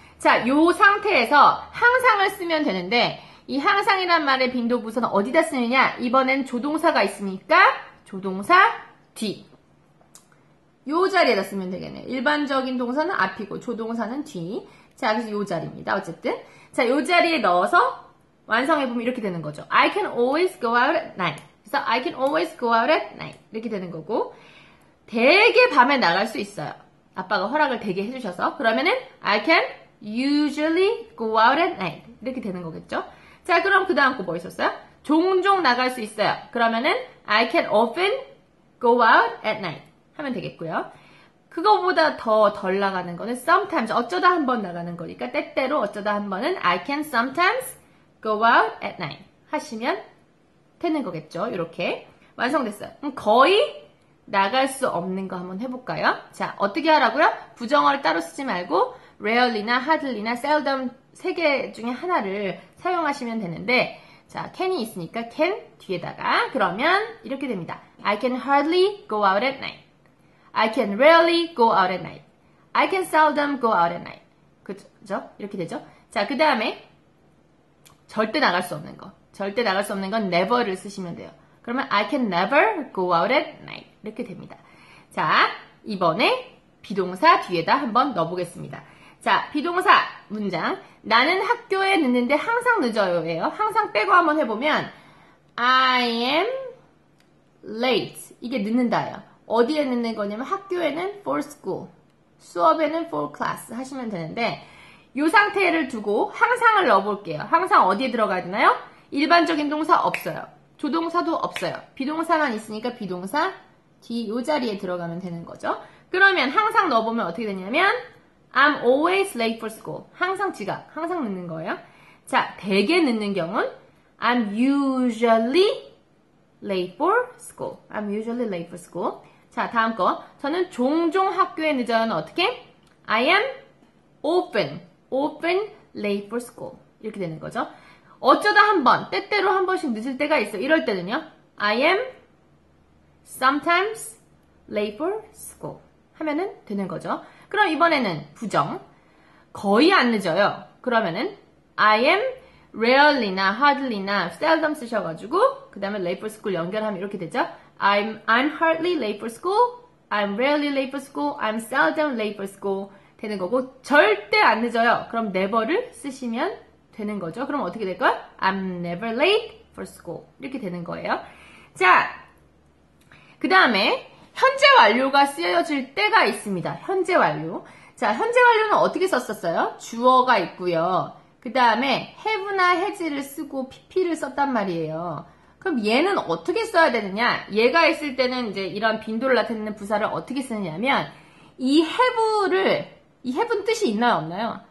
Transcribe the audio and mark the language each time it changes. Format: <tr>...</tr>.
<ko>자, 요 상태에서 항상을 쓰면 되는데 이 항상이란 말의 빈도 부사는 어디다 쓰느냐? 이번엔 조동사가 있으니까 조동사 뒤. 요 자리에다 쓰면 되겠네. 일반적인 동사는 앞이고 조동사는 뒤. 자, 그래서 요 자리입니다. 어쨌든. 자, 요 자리에 넣어서 완성해보면 이렇게 되는 거죠.</ko> <en>I can always go out at night.</en> <ko>그래서</ko> <en>I can always go out at night.</en> <ko>이렇게 되는 거고. 되게 밤에 나갈 수 있어요. 아빠가 허락을 되게 해주셔서. 그러면은</ko> <en>I can usually go out at night.</en> <ko>이렇게 되는 거겠죠. 자, 그럼 그 다음 거 뭐 있었어요? 종종 나갈 수 있어요. 그러면은</ko> <en>I can often go out at night.</en> <ko>하면 되겠고요. 그거보다 더 덜 나가는 거는 sometimes 어쩌다 한번 나가는 거니까 때때로 어쩌다 한번은</ko> <en>I can sometimes go out at night</en> <ko>하시면 되는 거겠죠. 이렇게 완성됐어요. 그럼 거의 나갈 수 없는 거 한번 해볼까요? 자, 어떻게 하라고요? 부정어를 따로 쓰지 말고 rarely나 hardly나 seldom 세 개 중에 하나를 사용하시면 되는데 자, can이 있으니까 can 뒤에다가 그러면 이렇게 됩니다.</ko> <en>I can hardly go out at night. I can rarely go out at night. I can seldom go out at night.</en> <ko>그죠? 이렇게 되죠? 자, 그 다음에 절대 나갈 수 없는 거. 절대 나갈 수 없는 건 never를 쓰시면 돼요. 그러면 I can never go out at night. 이렇게 됩니다. 자, 이번에 비동사 뒤에다 한번 넣어보겠습니다. 자, 비동사 문장. 나는 학교에 늦는데 항상 늦어요. 예요. 항상 빼고 한번 해보면</ko> <en>I am late.</en> <ko>이게 늦는다예요. 어디에 늦는 거냐면 학교에는</ko> <en>for school,</en> <ko>수업에는</ko> <en>for class</en> <ko>하시면 되는데 요 상태를 두고 항상을 넣어볼게요. 항상 어디에 들어가야 되나요? 일반적인 동사 없어요. 조동사도 없어요. 비동사만 있으니까 비동사 뒤 요 자리에 들어가면 되는 거죠. 그러면 항상 넣어보면 어떻게 되냐면</ko> <en>I'm always late for school.</en> <ko>항상 지각, 항상 늦는 거예요. 자, 대개 늦는 경우는</ko> <en>I'm usually late for school. I'm usually late for school.</en> <ko>자, 다음 거. 저는 종종 학교에 늦어요. 어떻게?</ko> <en>I am often, often late for school.</en> <ko>이렇게 되는 거죠. 어쩌다 한 번, 때때로 한 번씩 늦을 때가 있어. 이럴 때는요.</ko> <en>I am sometimes late for school.</en> <ko>하면은 되는 거죠. 그럼 이번에는 부정. 거의 안 늦어요. 그러면은 I am rarely나 hardly나 seldom 쓰셔가지고 그 다음에</ko> <en>late for school</en> <ko>연결하면 이렇게 되죠.</ko> <en>I'm hardly late for school. I'm rarely late for school. I'm seldom late for school.</en> <ko>되는 거고 절대 안 늦어요. 그럼 never를 쓰시면 되는 거죠. 그럼 어떻게 될까요?</ko> <en>I'm never late for school.</en> <ko>이렇게 되는 거예요. 자, 그 다음에 현재 완료가 쓰여질 때가 있습니다. 현재 완료. 자, 현재 완료는 어떻게 썼었어요? 주어가 있고요. 그 다음에 have나 has를 쓰고 pp를 썼단 말이에요. 그럼 얘는 어떻게 써야 되느냐? 얘가 있을 때는 이제 이런 빈도를 나타내는 부사를 어떻게 쓰느냐면 이 have를 이 have는 뜻이 있나요, 없나요?</ko>